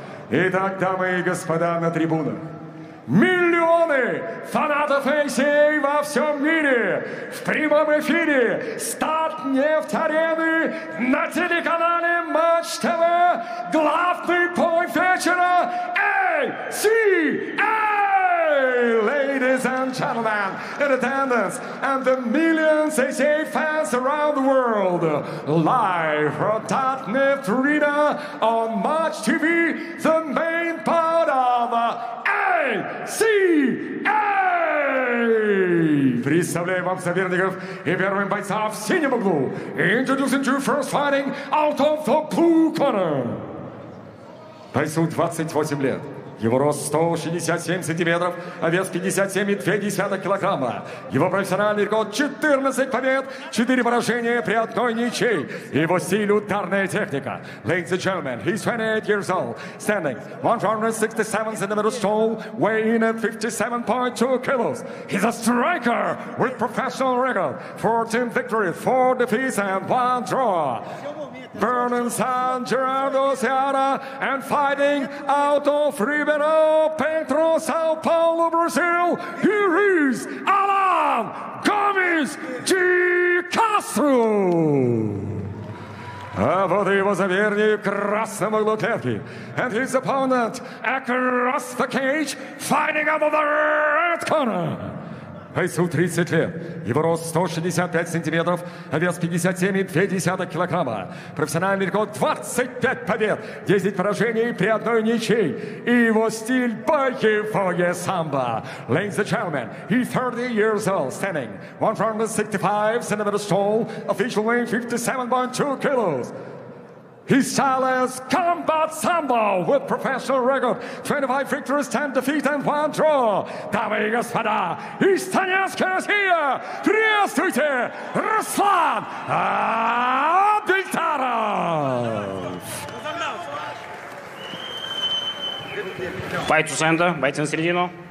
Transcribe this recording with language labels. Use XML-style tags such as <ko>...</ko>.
<ru>Итак, дамы и господа на трибунах. Миллионы фанатов ACA во всем мире в прямом эфире Статнефть-арены на телеканале Матч ТВ. Главный бой вечера ACA!</ru> <en>Ladies and gentlemen, in attendance, and the millions ACA fans around the world, live from Tatneft Arena on Match TV, the main part of ACA!</en> <ru>Представляю вам соперников и первым бойца в синем углу.</ru> <en>Introducing you first fighting out of the blue corner.</en> <ru>Бойцу 28 лет. Его рост 167 сантиметров, а вес 57,2 килограмма. Его профессиональный рекорд 14 побед, 4 поражения при одной ничьей. Его стиль – ударная техника.</ru> <en>Ladies and gentlemen, he's 28 years old. Standing 167 centimeters tall, weighing at 57.2 kilos. He's a striker with professional record. 14 victories, 4 defeats and 1 draw. Vernon San Gerardo Seara and fighting out of Ribeirão Preto, São Paulo, Brazil. Here is Alan Gomes de Castro.</en> <ru>А вот его соперник в красном углу клетки.</ru> <en>And his opponent across the cage, fighting out of the red corner.</en> <ru>Бойцу 30 лет. Его рост 165 сантиметров, а вес 57,2 килограмма. Профессиональный рекорд 25 побед, 10 поражений при одной ничьей. И его стиль боевое самбо.</ru> <en>Ladies and gentlemen, he's 30 years old, standing 165 centimeters tall, official weight 57.2 kilos. His style is combat sambo with professional record. 25 victories, 10 defeats, and 1 draw.</en> <ru>Дамы и господа, из Донецка, Россия, приветствуйте Руслан Абдельтаров! Бойцу Сэнда, бойцы на середину.</ru>